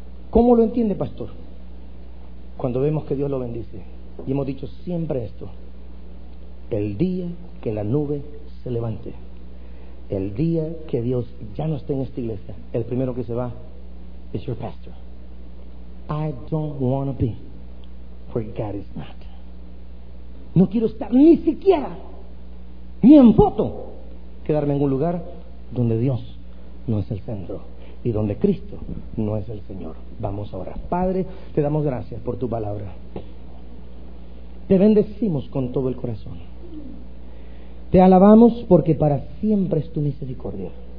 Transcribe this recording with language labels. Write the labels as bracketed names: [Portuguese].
[Spanish] ¿Cómo lo entiende, pastor? Cuando vemos que Dios lo bendice, y hemos dicho siempre esto: el día que la nube se levante, el día que Dios ya no esté en esta iglesia, el primero que se va es [English] your pastor. I don't want to be where God is not. [Spanish] No quiero estar ni siquiera, ni en foto, quedarme en un lugar donde Dios no es el centro y donde Cristo no es el Señor. Vamos a orar. Padre, te damos gracias por tu palabra. Te bendecimos con todo el corazón. Te alabamos porque para siempre es tu misericordia.